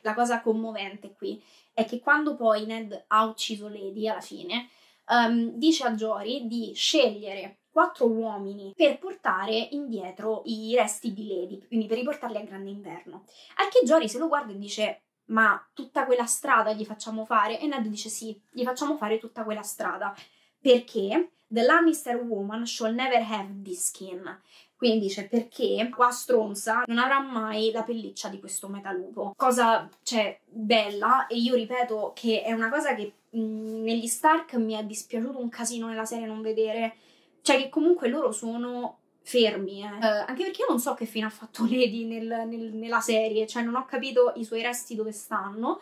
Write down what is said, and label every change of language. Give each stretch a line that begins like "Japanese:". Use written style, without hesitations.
Italian: La cosa commovente qui è che quando poi Ned ha ucciso Lady alla fine, dice a Jory di scegliere 4 uomini per portare indietro i resti di Lady, quindi per riportarli a Grande Inverno. Al che Jory se lo guarda e dice... ma tutta quella strada gli facciamo fare? E Ned dice sì, gli facciamo fare tutta quella strada, perché
English: The Lannister woman shall never have this skin.
Italian: Quindi dice perché qua stronza non avrà mai la pelliccia di questo metalupo. Cosa, cioè, bella, e io ripeto che è una cosa che negli Stark mi è dispiaciuto un casino nella serie non vedere. Cioè che comunque loro sono fermi, anche perché io non so che fine ha fatto Lady nella serie, cioè non ho capito i suoi resti dove stanno.